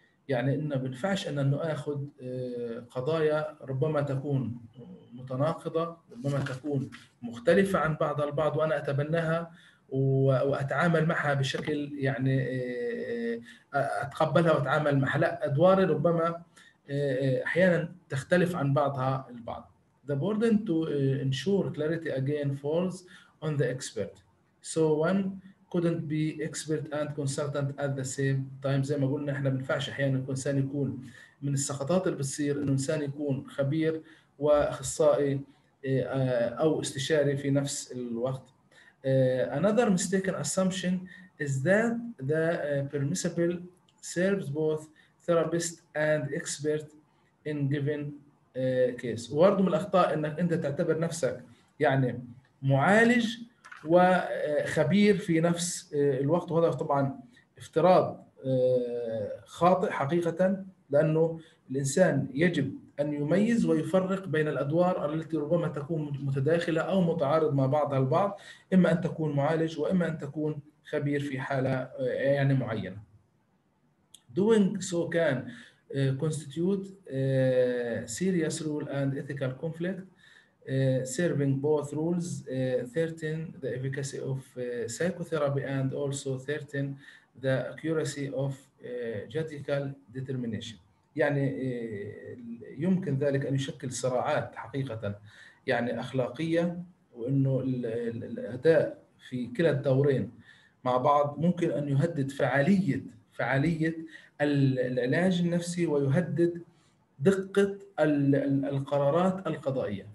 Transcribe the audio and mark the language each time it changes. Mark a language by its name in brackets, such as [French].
[Arabic] يعني انه ما بينفعش ان ناخذ قضايا ربما تكون متناقضه، ربما تكون مختلفه عن بعض البعض، وانا اتبناها واتعامل معها بشكل يعني اتقبلها واتعامل معها. لا، ادواري ربما احيانا تختلف عن بعضها البعض. [English] The burden to ensure clarity again falls on the expert. So one couldn't be expert and consultant at the same time. [Arabic] زي ما قلنا احنا ما بنفعش احيانا يكون انسان، يكون من السقطات اللي بتصير انه انسان يكون خبير واخصائي او استشاري في نفس الوقت. [English] Another mistaken assumption is that the permissible serves both therapist and expert in given case. [Arabic] وبرضه من الاخطاء انك انت تعتبر نفسك يعني معالج وخبير في نفس الوقت، وهذا طبعا افتراض خاطئ حقيقة، لأنه الإنسان يجب أن يميز ويفرق بين الأدوار التي ربما تكون متداخلة أو متعارض مع بعضها البعض، إما أن تكون معالج وإما أن تكون خبير في حالة يعني معينة. [English] Doing so can constitute serious rule and ethical conflict. Serving both roles threaten the efficacy of psychotherapy and also threaten the accuracy of judicial determination. [Arabic] يعني يمكن ذلك أن يشكل صراعات حقيقة يعني أخلاقية، وأنه الأداء في كلا الدورين مع بعض ممكن أن يهدد فعالية العلاج النفسي ويهدد دقة القرارات القضائية.